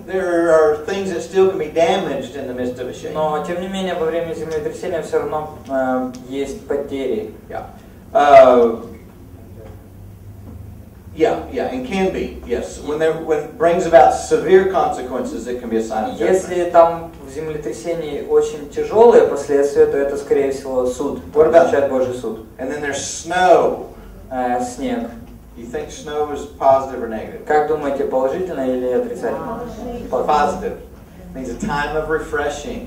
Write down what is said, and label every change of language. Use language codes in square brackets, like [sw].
[en] There are things that still can be damaged in the midst of a shake. [ru] Но тем не менее во время землетрясения все равно есть потери. [en] Yeah, and can be. Yes, when it brings about severe consequences, it can be a sign of judgment. [ru] Если там в землетрясении очень тяжелые последствия, то это, скорее всего, суд. [en] What about [ru] that? Божий суд. [en] And then there's snow. [ru] Снег. [en] You think snow is positive or negative? [ru] Как думаете, положительно или отрицательно? [en] Positive. Means a time of refreshing.